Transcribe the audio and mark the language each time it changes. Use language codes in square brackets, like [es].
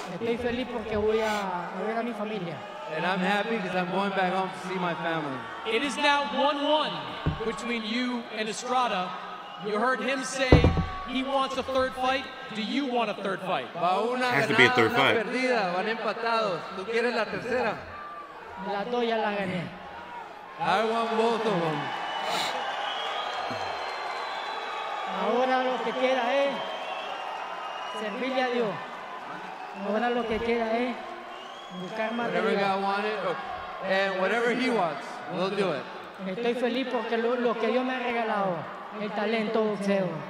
[es] Estoy feliz porque voy a ver a mi familia. [en] And I'm happy because I'm going back home to see my family. It is now 1-1 between you and Estrada. You heard him say he wants a third fight. Do you want a third fight? It has to be a third fight. [es] Perdida. Van empatados. ¿Tú quieres la tercera? La tuya la gané. [en] I want both of them. [es] Ahora lo que queda es servirle a Dios. Ahora lo que queda es [en] whatever God wanted, and whatever He wants, we'll do it. [es] Estoy feliz porque lo que Dios me ha regalado, el talento boxeo.